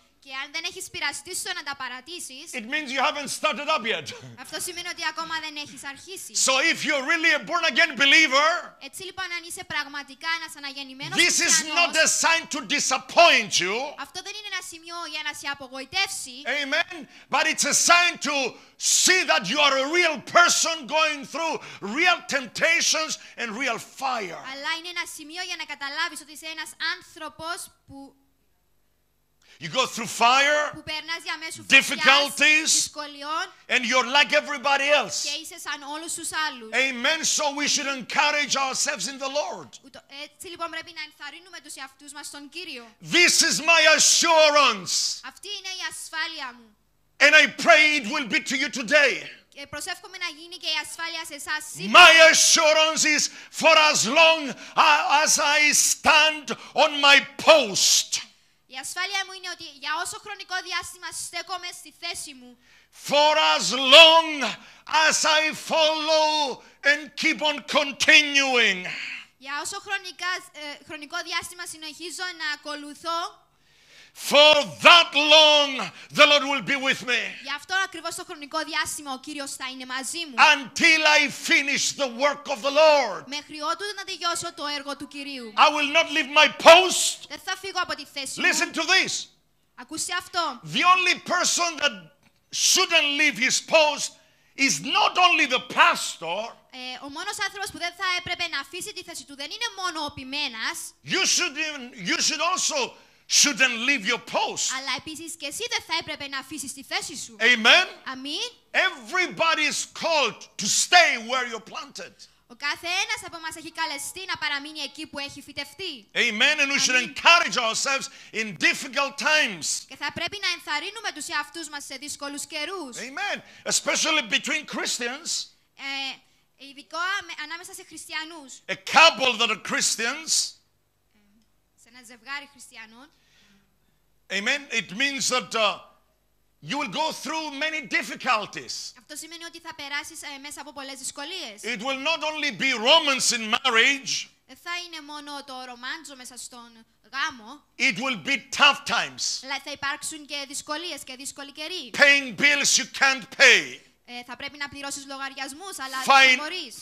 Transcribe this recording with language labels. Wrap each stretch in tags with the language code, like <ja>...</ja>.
<el>Και αν δεν έχεις πειραστεί στο να τα παρατήσεις.</el> <en>It means you haven't started up yet.</en> <el>Αυτό σημαίνει ότι ακόμα δεν έχεις αρχίσει.</el> <en>So if you're really a born again believer.</en> <el>Έτσι λοιπόν αν είσαι πραγματικά ένας αναγεννημένος χριστιανός.</el> <en>This is not a sign to disappoint you.</en> <el>Αυτό δεν είναι ένα σημείο για να σε απογοητεύσει.</el> <en>Amen. But it's a sign to see that you are a real person going through real temptations and real fire.</en> <el>Αλλά είναι ένα σημείο για να καταλάβεις ότι είσαι ένας άνθρωπος που</el> <en>You go through fire,</en> <el>που περνάς διαμέσου</el> <en>difficulties,</en> <el>δυσκολιών,</el> <en>and you're like everybody else.</en> <el>Και είσαι σαν όλους τους άλλους.</el> <en>Amen. So we should encourage ourselves in the Lord.</en> <el>Έτσι λοιπόν πρέπει να ενθαρρύνουμε τους εαυτούς μας στον Κύριο.</el> <en>This is my assurance.</en> <el>Αυτή είναι η ασφάλεια μου.</el> <en>And I pray it will be to you today.</en> <el>Προσεύχομαι να γίνει και η ασφάλεια σε εσάς σήμερα.</el> <en>My assurance is for as long as I stand on my post.</en> <el>Η ασφάλεια μου είναι ότι για όσο χρονικό διάστημα στέκομαι στη θέση μου.</el> <en>For as long as I follow and keep on continuing.</en> <el>Για όσο χρονικό διάστημα συνεχίζω να ακολουθώ.</el> <en>For that long, the Lord will be with me.</en> <el>Για αυτό ακριβώς το χρονικό διάστημα ο Κύριος θα είναι μαζί μου.</el> <en>Until I finish the work of the Lord.</en> <el>Μέχρι ότου να τελειώσω το έργο του Κυρίου.</el> <en>I will not leave my post.</en> <el>Δεν θα φύγω από τη θέση μου.</el> <en>Listen to this.</en> <el>Ακούστε αυτό.</el> <en>The only person that shouldn't leave his post is not only the pastor.</en> <el>Ο μόνος άνθρωπος που δεν θα έπρεπε να αφήσει τη θέση του δεν είναι μόνο ο ποιμένας.</el> <en>You should also shouldn't leave your post.</en> <el>Αλλά επίσης και εσύ δεν θα έπρεπε να αφήσεις τη θέση σου.</el> <en>Amen.</en> <el>Αμήν.</el> <en>Everybody is called to stay where you're planted.</en> <el>Ο κάθε ένας από μας έχει καλεστεί να παραμείνει εκεί που έχει φυτευτεί.</el> <en>Amen. And we should encourage ourselves in difficult times.</en> <el>Και θα πρέπει να ενθαρρύνουμε τους εαυτούς μας σε δύσκολους καιρούς.</el> <en>Amen. Especially between Christians.</en> <el>Ειδικά ανάμεσα σε χριστιανούς.</el> <en>A couple that are Christians.</en> <el>Ζευγάρι χριστιανών.</el> <en>Amen. It means that you will go through many difficulties.</en> <el>Αυτό σημαίνει ότι θα περάσεις μέσα από πολλές δυσκολίες.</el> <en>It will not only be romance in marriage.</en> <el>Θα είναι μόνο το ρομάντζο μέσα στον γάμο.</el> <en>It will be tough times.</en> <el>Θα υπάρξουν και δυσκολίες και δύσκολοι καιροί.</el> <en>Paying bills you can't pay.</en> <el>Θα πρέπει να πληρώσεις λογαριασμούς, αλλά δεν μπορείς.</el>